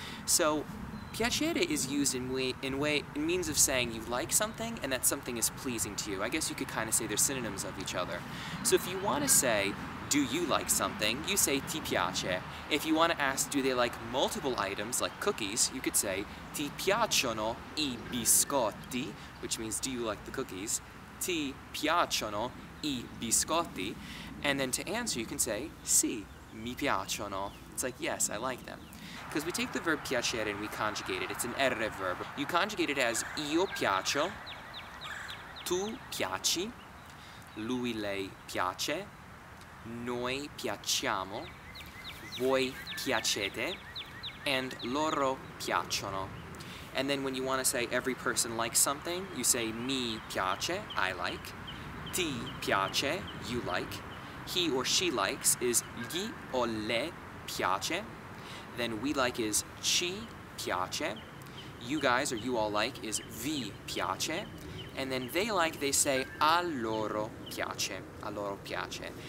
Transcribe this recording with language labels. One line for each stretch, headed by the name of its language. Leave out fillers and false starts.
English: So piacere is used in means of saying you like something and that something is pleasing to you. I guess you could kind of say they're synonyms of each other. So if you want to say, do you like something? You say
Italian: ti piace.
English: If you want to ask, do they like multiple items, like cookies, you could say
Italian: ti piacciono I biscotti,
English: which means do you like the cookies?
Italian: Ti piacciono I biscotti.
English: And then to answer, you can say
Italian: sì, mi piacciono.
English: It's like, yes, I like them. Because we take the verb piacere and we conjugate it. It's an erre verb. You conjugate it as
Italian: io piaccio, tu piaci, lui lei piace, noi piacciamo, voi piacete, and loro piacciono.
English: And then when you want to say every person likes something, you say
Italian: mi piace,
English: I like,
Italian: ti piace,
English: you like, he or she likes is
Italian: gli o le piace,
English: then we like is
Italian: ci piace,
English: you guys or you all like is
Italian: vi piace,
English: and then they like, they say,
Italian: a loro piace, a loro piace.